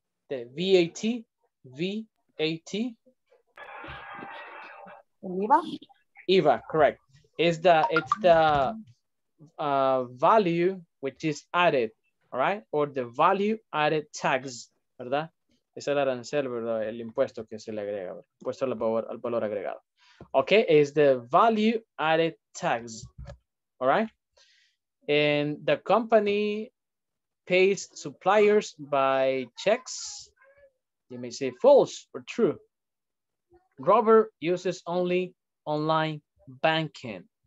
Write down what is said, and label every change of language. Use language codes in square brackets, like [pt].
[en] The VAT. VAT. [es] IVA. IVA, correct. [en] it's the value which is added, all right? Or the value added tax, [es] ¿verdad? Es el arancel, ¿verdad? El impuesto que se le agrega, impuesto al valor agregado. [en] Okay, is the value added tax, all right? And the company pays suppliers by checks. You may say false or true. Robert uses only online banking.